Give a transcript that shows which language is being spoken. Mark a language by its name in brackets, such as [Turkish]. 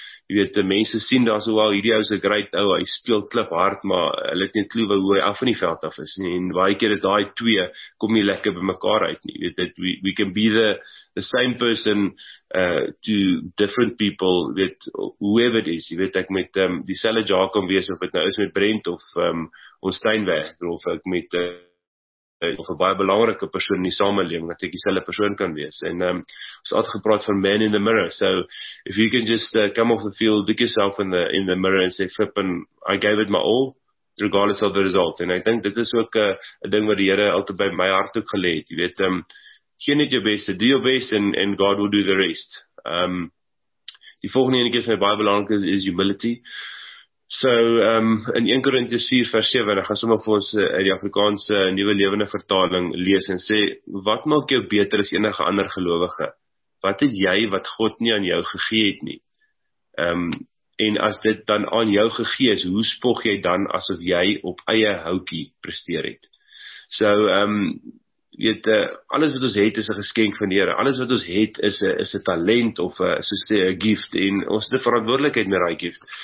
[Afrikaans] jy weet, mense sien daar so wel, hierdie ou is [English] a great [Afrikaans] ou, hy speel klip hard, maar hulle het nie clue wat hoe hy af van die veld af is, en baie keer is daai twee, kom nie lekker by mekaar uit nie, weet, [English] that we can be the same person to different people, [Afrikaans] weet, [English] whoever it is, [Afrikaans] jy weet, ek met die selle jaar kan wees, of het nou is met Brent, of ons tuinwerk, of ek met of 'n baie belangrike persoon in die samelewing, dat ek dieselfde persoon kan wees. En ons het gepraat van [English] man in the mirror. So if you can just come off the field, look yourself in the mirror and say, Flip, and I gave it my all, regardless of the result. [Afrikaans] En ek dink dit is ook 'n ding wat die Here altyd by my hart ook gelê het. Jy weet, gee net jou beste, [English] do your best, and God will do the rest. [Afrikaans] Die volgende ene keer is my baie belangrik is humility. So, in 1 Korintiërs 4 vers 7, ek gaan sommer vir ons die Afrikaanse Nuwe Lewende Vertaling lees en sê, wat maak jou beter as enige ander gelowige? Wat het jy wat God nie aan jou gegee het nie? En as dit dan aan jou gegee is, hoe spog jy dan asof jy op eie houtjie presteer het? So, weet, alles wat ons het is 'n geskenk van die Here. Alles wat ons het is 'n talent of 'n soos sê 'n gift, en ons het 'n verantwoordelikheid met daai gift.